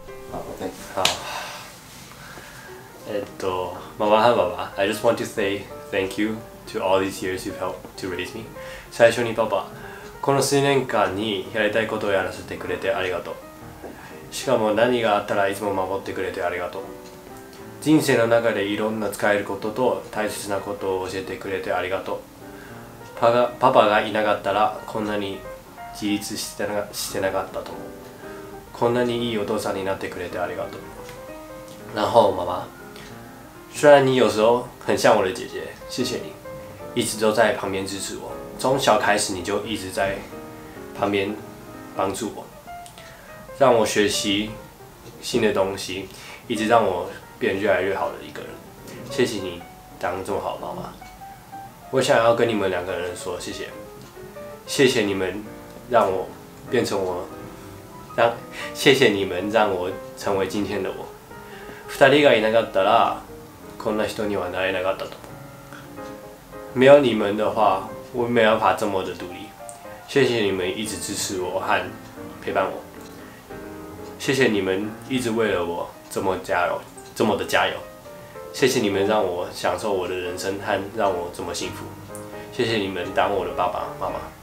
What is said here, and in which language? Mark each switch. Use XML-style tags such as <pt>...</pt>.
<zh>好，对，好。妈妈和爸爸</zh> <en>，I just want to say thank you to all these years you've helped to raise me.</en> <ja>最初にパパ、この数年間にやりたいことをやらせてくれてありがとう。しかも何があったらいつも守ってくれてありがとう。人生の中でいろんな使えることと大切なことを教えてくれてありがとう。パパがいなかったらこんなに自立してなかったと思う。こんなにいいお父さんになってくれてありがとう。</ja> <zh>然后妈妈，虽然你有时候很像我的姐姐，谢谢你，一直都在旁边支持我。从小开始你就一直在旁边帮助我，让我学习新的东西，一直让我变越来越好的一个人，谢谢你当这么好的妈妈。我想要跟你们两个人说谢谢，谢谢你们让我变成我，谢谢你们让我成为今天的我。</zh> <ja>二人がいなかったらこんな人にはなれなかったと。</ja> <zh>没有你们的话，我没有办法这么的独立。谢谢你们一直支持我和陪伴我，谢谢你们一直为了我这么加油。这么的加油，谢谢你们让我享受我的人生和让我这么幸福，谢谢你们当我的爸爸妈妈。</zh>